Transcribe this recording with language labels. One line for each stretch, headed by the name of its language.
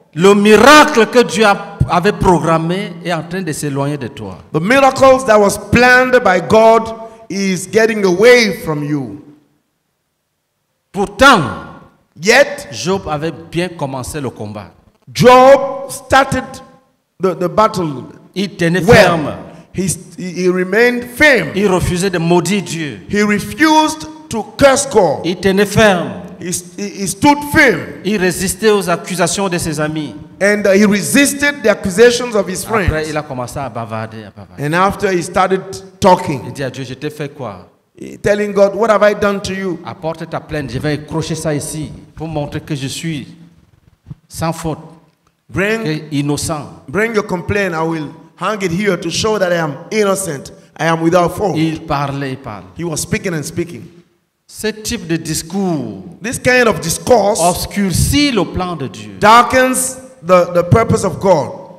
French: Le miracle que Dieu avait programmé est en train de s'éloigner de toi.
English: The miracles that was planned by God is getting away from you.
French: Pourtant,
English: yet,
French: Job avait bien commencé le combat.
English: Job started the battle.
French: Il tenait ferme.
English: He remained firm.
French: Il refusait de maudire Dieu.
English: He refused to curse God.
French: Il tenait ferme.
English: He stood firm.
French: Il résistait aux accusations de ses amis.
English: And he resisted the accusations of his friends.
French: Après, il a commencé à bavarder.
English: And after he started talking.
French: Il dit à Dieu, je t'ai fait quoi?
English: Telling God, what have I done to you?
French: Apporte ta plainte, je vais accrocher ça ici pour montrer que je suis sans faute,
English: bring, innocent. Bring your complaint, I will hang it here to show that I am innocent. I am without fault.
French: Il parlait, il parle.
English: He was speaking and speaking.
French: Ce type de discours,
English: this kind of discourse,
French: obscurcit le plan de Dieu.
English: Darkens the purpose of God.